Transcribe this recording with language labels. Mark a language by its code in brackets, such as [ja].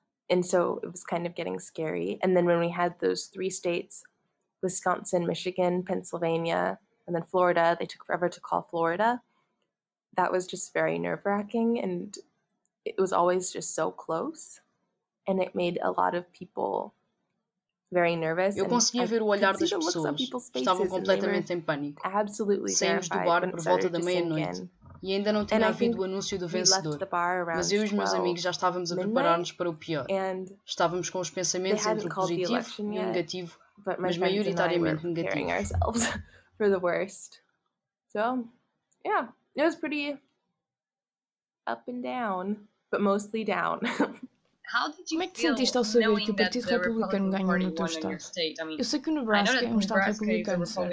[en] And so it was kind of getting scary. And then when we had those three states, Wisconsin, Michigan, Pennsylvania, and then Florida, they took forever to call Florida. That was just very nerve-wracking. And it was always just so close. And it made a lot of people very nervous. [pt] Eu conseguia ver o olhar das pessoas. Estavam completamente em pânico. [en] Absolutely [pt] saímos do bar por volta da meia-noite. E ainda não tinha havido o anúncio do vencedor. Mas eu e os meus amigos já estávamos a preparar-nos para o pior. Estávamos com os pensamentos entre o positivo e o negativo, mas maioritariamente negativo. [en] For the worst. So, yeah, it was pretty up and down, but mostly down. [pt] Como é que te sentiste ao saber que o Partido Republicano ganhou no teu estado? Eu sei que o Nebraska é um estado republicano,